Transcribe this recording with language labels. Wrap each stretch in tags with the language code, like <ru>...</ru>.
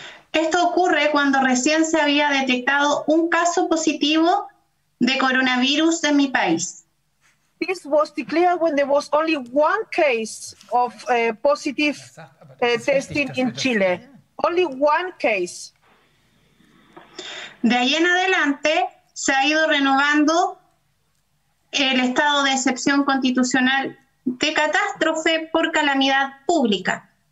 <es>Esto ocurre cuando recién se había detectado un caso positivo de coronavirus en mi país.</es> <en>This was declared when there was only one case of positive testing in Chile. Only one case.</en> <es>De ahí en adelante se ha ido renovando el estado de excepción constitucional de catástrofe por calamidad pública.</es>